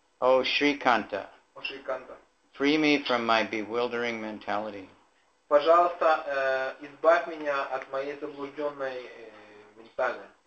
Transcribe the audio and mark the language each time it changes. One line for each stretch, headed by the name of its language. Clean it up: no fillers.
English: Oh, Shrikanta.
Russian: О, Шриканта.
English: Free me from my bewildering mentality.
Russian: Пожалуйста, избавь меня от моей заблужденной ментальности.